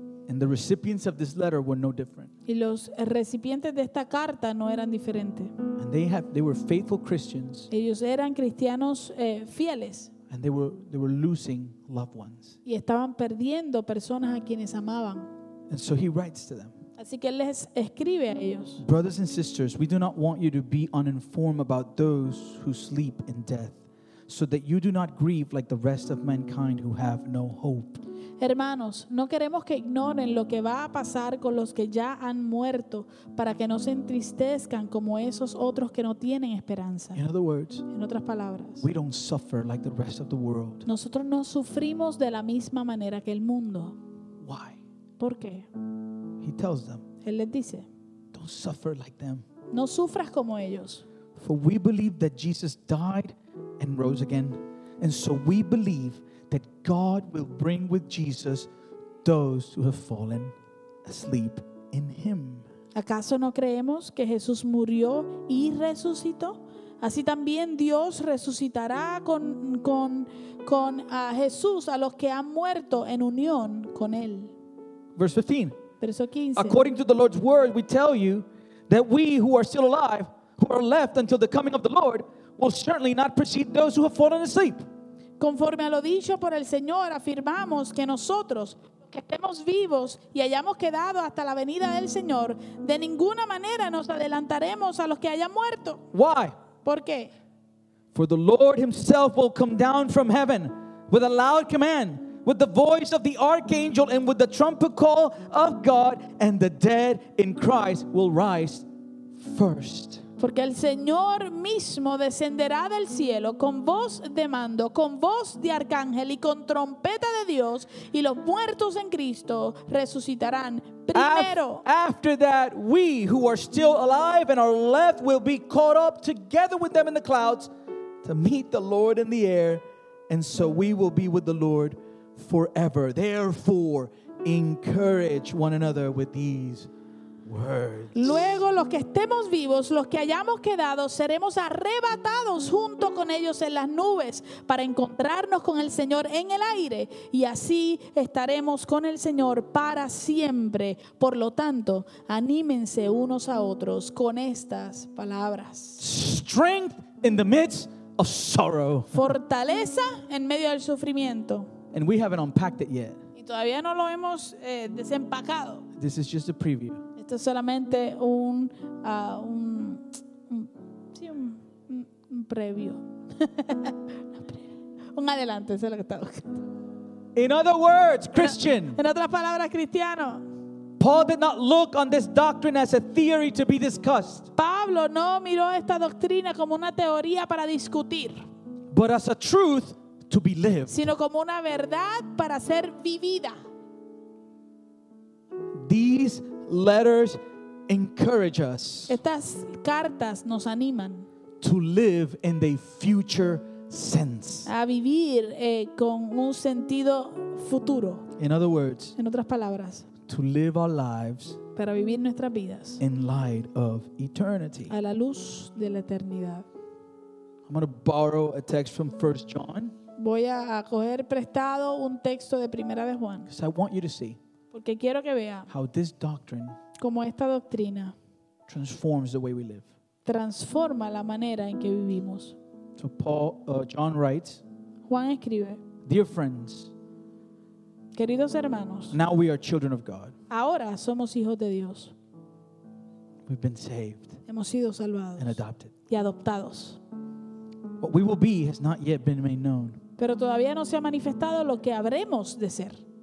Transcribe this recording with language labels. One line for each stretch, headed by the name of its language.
English: And the recipients of this letter were no different.
Spanish: Y los recipientes de esta carta no eran diferentes.
English: And they were faithful Christians.
Spanish: Ellos eran cristianos fieles.
English: And they were losing loved ones.
Spanish: Y estaban perdiendo personas a quienes amaban.
English: And so he writes to them.
Spanish: Así que él les escribe a ellos.
English: Brothers and sisters, we do not want you to be uninformed about those who sleep in death. So that you do not grieve like the rest of mankind who have no hope.
Spanish: Hermanos, no queremos que ignoren lo que va a pasar con los que ya han muerto, para que no se entristezcan como esos otros que no tienen esperanza.
English: In other words,
Spanish: en otras palabras,
English: we don't suffer like the rest of the world.
Spanish: Nosotros no sufrimos de la misma manera que el mundo.
English: Why?
Spanish: ¿Por qué?
English: He tells them.
Spanish: Él les dice.
English: Don't suffer like them.
Spanish: No sufras como ellos.
English: For we believe that Jesus died and rose again, and so we believe that God will bring with Jesus those who have fallen asleep in Him.
Spanish: ¿Acaso no creemos que Jesús murió y resucitó? Así también Dios resucitará con Jesús a los que han muerto en unión con Él.
English: Verse 15.
Spanish: Verso 15.
English: According to the Lord's word, we tell you that we who are still alive, who are left until the coming of the Lord, will certainly not precede those who have fallen asleep.
Spanish: Conforme a lo dicho por el Señor, afirmamos que nosotros, que estemos vivos y hayamos quedado hasta la venida del Señor, de ninguna manera nos adelantaremos a los que hayan muerto.
English: Why?
Spanish: ¿Por qué?
English: For the Lord Himself will come down from heaven with a loud command, with the voice of the archangel, and with the trumpet call of God, and the dead in Christ will rise first.
Spanish: Porque el Señor mismo descenderá del cielo con voz de mando, con voz de arcángel y con trompeta de Dios, y los muertos en Cristo resucitarán primero.
English: After that, we who are still alive and are left will be caught up together with them in the clouds to meet the Lord in the air, and so we will be with the Lord forever. Therefore, encourage one another with these words.
Spanish: Luego, los que estemos vivos, los que hayamos quedado, seremos arrebatados junto con ellos en las nubes para encontrarnos con el Señor en el aire, y así estaremos con el Señor para siempre. Por lo tanto, anímense unos a otros con estas palabras.
English: Strength in the midst of sorrow.
Spanish: Fortaleza en medio del sufrimiento.
English: And we haven't unpacked it yet.
Spanish: Y todavía no lo hemos desempacado.
English: This is just a preview.
Spanish: Esto es solamente un previo. Un adelanto, eso es lo que estaba buscando.
English: In other words, Christian.
Spanish: En otras palabras, cristiano.
English: Paul did not look on this doctrine as a theory to be discussed.
Spanish: Pablo no miró esta doctrina como una teoría para discutir.
English: But as a truth to be lived.
Spanish: Sino como una verdad para ser vivida.
English: These letters encourage us.
Spanish: Estas cartas nos animan.
English: To live in the future sense.
Spanish: A vivir con un sentido futuro.
English: In other words.
Spanish: En otras palabras.
English: To live our lives.
Spanish: Para vivir nuestras vidas.
English: In light of eternity.
Spanish: A la luz de la eternidad.
English: I'm going to borrow a text from 1 John.
Spanish: Voy a coger prestado un texto de Primera de Juan.
English: Because I want you to see.
Spanish: Porque quiero que vea
English: how this doctrine
Spanish: como esta doctrina
English: transforms the way we live.
Spanish: Transforma la manera en que vivimos.
English: So Paul, John writes,
Spanish: Juan escribe,
English: dear friends,
Spanish: queridos hermanos,
English: now we are children of God.
Spanish: Ahora somos hijos de Dios.
English: We've been saved.
Spanish: Hemos sido salvados.
English: And adopted.
Spanish: Y adoptados.
English: What we will be has not yet been made known.
Spanish: Pero todavía no se ha manifestado lo que habremos de ser.